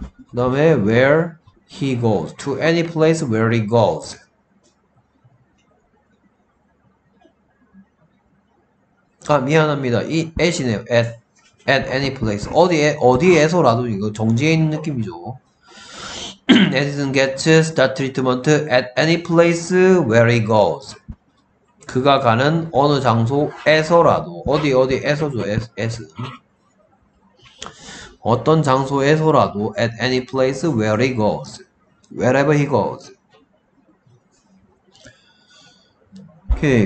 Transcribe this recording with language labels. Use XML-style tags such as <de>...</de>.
<ko>그다음에</ko> <en>where he goes. to any place where he goes.</en> <ko>아, 미안합니다. 이 at이네요.</ko> <en>at any place.</en> <ko>어디에서라도 이거 정지해 있는 느낌이죠.</ko> <en>Edison gets start treatment at any place where he goes.</en> <ko>그가 가는 어느 장소에서라도 어디에서죠? S. 어떤 장소에서라도</ko> <en>at any place where he goes. Wherever he goes.</en> <ko>오케이.</ko>